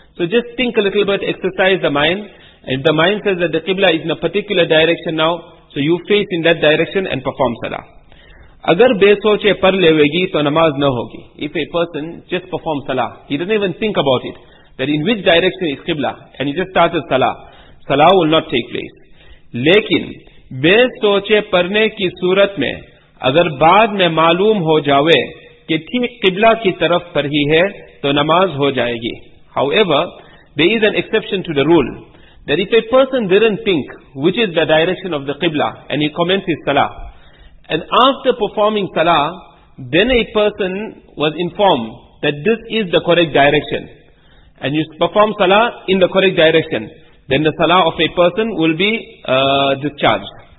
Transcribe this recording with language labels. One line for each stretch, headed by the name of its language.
English: So just think a little bit, exercise the mind. And if the mind says that the Qibla is in a particular direction now, so you face in that direction and perform salah.
Urdu: Agar besoche par levegi, to namaz na hogi.
English: If a person just performs salah, he doesn't even think about it, that in which direction is Qibla, and he just started salah, salah will not take place.
Urdu: Lekin, بے سوچے پڑھنے کی صورت میں اگر بعد میں معلوم ہو جاوے کہ ٹھیک قبلہ کی طرف پر ہی ہے تو نماز ہو جائے گی.
English: However, there is an exception to the rule that if a person didn't think which is the direction of the Qibla and he commenced his salah, and after performing salah, then a person was informed that this is the correct direction, and you perform salah in the correct direction, then the salah of a person will be discharged.